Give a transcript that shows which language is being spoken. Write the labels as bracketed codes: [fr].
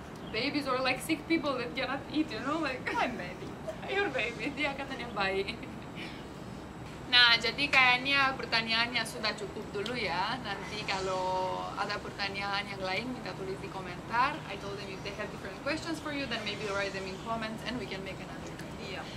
[en] Babies or like sick people that cannot eat, you know? Like, I'm baby. You're baby, [id] dia katanya bayi. Nah, jadi kayaknya pertanyaannya sudah cukup dulu ya. Nanti kalau ada pertanyaan yang lain, kita tulis di komentar. [en] I told them if they have different questions for you, then maybe write them in comments and we can make another video.